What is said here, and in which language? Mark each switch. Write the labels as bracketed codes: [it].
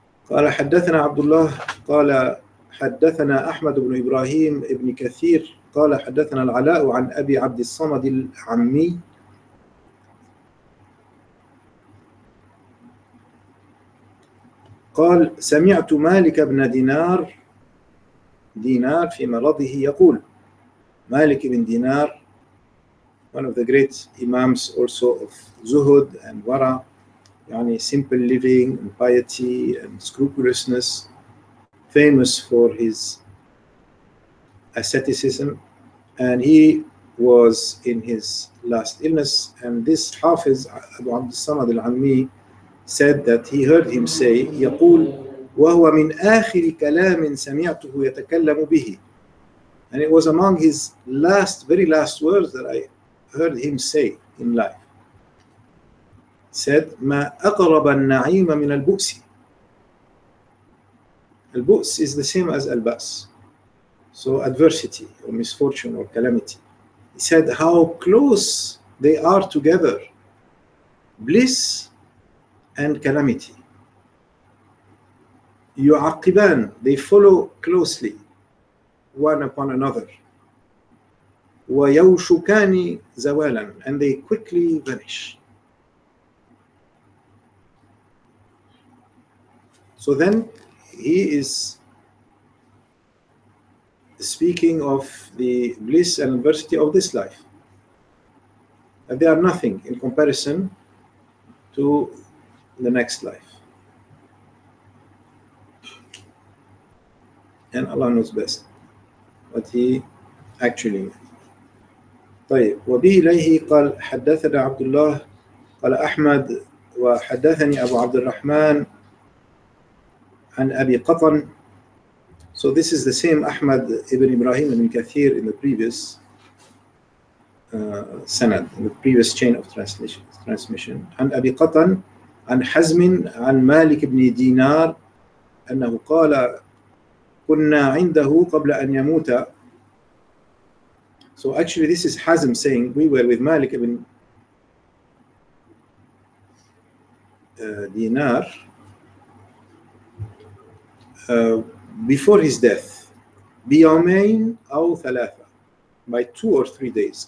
[ar] قال حدثنا عبد الله قال حدثنا أحمد بن إبراهيم ابن كثير قال حدثنا العلاء عن أبي عبد الصمد العمي قال سمعت مالك بن دينار دينار في مرضه يقول. [en] مالك بن دينار, one of the great imams also of zuhud and wara, يعني simple living and piety and scrupulousness, famous for his asceticism, and he was in his last illness. And this Hafiz Abu Abd al-Samad al-Ammi said that he heard him say, [ar] يقول وهو من آخر كلام سمعته يتكلم به. [en] And it was among his last, very last words that I heard him say in life. [ar] Said, ما أقرب النعيم من البؤس. [en] البؤس is the same as البأس. So adversity or misfortune or calamity. He said, how close they are together, bliss and calamity. يعقبان, they follow closely one upon another. [ar] ويوشكان زوالا, [en] and they quickly vanish. So then he is speaking of the bliss and adversity of this life. And they are nothing in comparison to the next life. And Allah knows best what he actually meant. [ar] طيب وبه إليه قال حدثنا عبد الله قال أحمد وحدثني أبو عبد الرحمن عن أبي قطن. [en] So this is the same Ahmad ibn Ibrahim ibn Kathir in the previous sanad, in the previous chain of transmission. [ar] عن أبي قطن عن حزم عن مالك بن دينار أنه قال كنا عنده قبل أن يموت. [en] So actually this is Hazm saying we were with Malik ibn Dinar before his death. [ar] بيومين أو ثلاثة, [en] by two or three days.